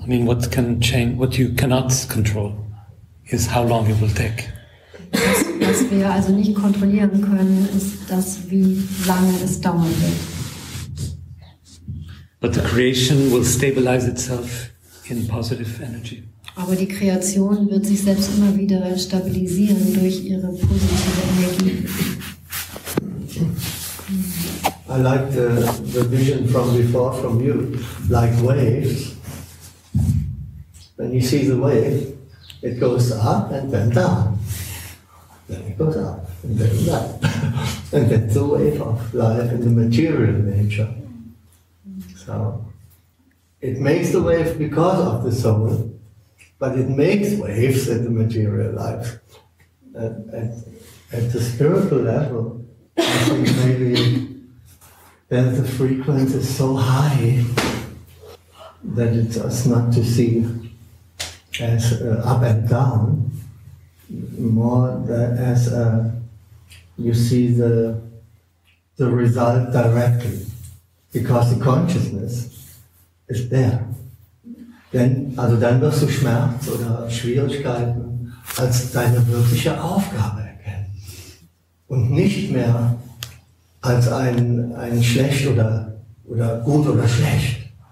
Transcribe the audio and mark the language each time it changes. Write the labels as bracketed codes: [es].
[en] I mean, what can change, what you cannot control is how long it will take. [de] Was wir also nicht kontrollieren können, ist das, wie lange es dauern wird. [en] But the creation will stabilize itself in positive energy. [de] Aber die Kreation wird sich selbst immer wieder stabilisieren durch ihre positive Energie. [en] I like the vision from before from you, like waves. When you see the wave, it goes up and then down. Then it goes up and then down. And that's the wave of life in the material nature. It makes the wave because of the soul, but it makes waves in the material life. At the spiritual level, I think maybe then the frequency is so high that it's us not to see as up and down, more that as you see the result directly. Because the consciousness is there. [de] Denn, also dann wirst du Schmerz oder Schwierigkeiten als deine wirkliche Aufgabe erkennen. Und nicht mehr als ein schlecht oder gut oder schlecht.